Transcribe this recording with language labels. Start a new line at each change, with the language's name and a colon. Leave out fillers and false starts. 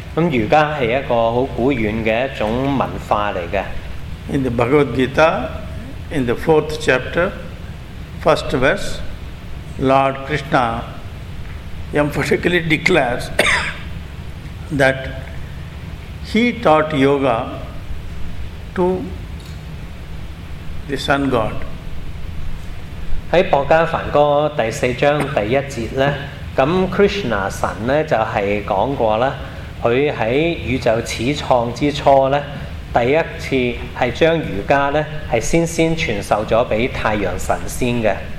Chinese: 瑜伽是一個很古遠的一種文化來的。
English: In the Bhagavad Gita, in the 4th chapter, 1st verse, Lord Krishna emphatically declares that he taught yoga to the sun god.
Chinese: 在《博迦梵歌》第4章第1節， Krishna 神就是說過啦， 他在宇宙始創之初，第一次是將瑜伽先傳授給太陽神仙的。